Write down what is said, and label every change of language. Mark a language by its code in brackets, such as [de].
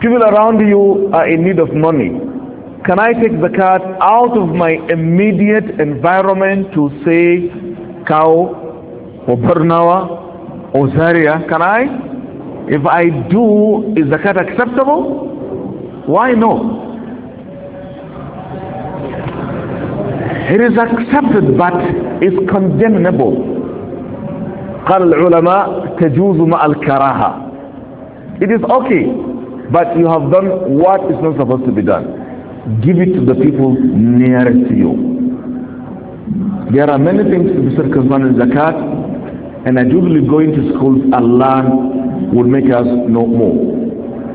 [en] People around you are in need of money. Can I take zakat out of my immediate environment to say Kao or Bernawa or Zaria? Can I? If I do, is zakat acceptable? Why no? It is accepted, but it's condemnable. [ar] قال العلماء تجوز مع الكراهة. [en] It is okay, but you have done what is not supposed to be done. Give it to the people nearest to you. There are many things to be said concerning zakat, and I do believe going to schools and learn will make us know more.